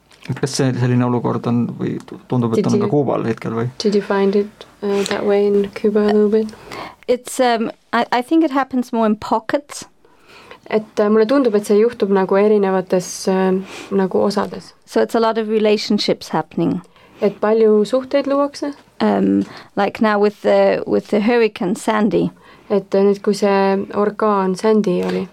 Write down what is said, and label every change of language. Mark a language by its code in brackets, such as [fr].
[et] Et kas selline olukord on või tundub, et on ka Kuubal hetkel või? [en] Did you find it that way in Cuba a little bit? It's I think it happens more in pockets. [et] Et mulle tundub, et see juhtub nagu erinevates nagu osades. [en] So it's a lot of relationships happening. [et] Et palju suhteid luuakse? [en] Like now with the hurricane Sandy. [et] Et nüüd kui see orkaan Sandy oli.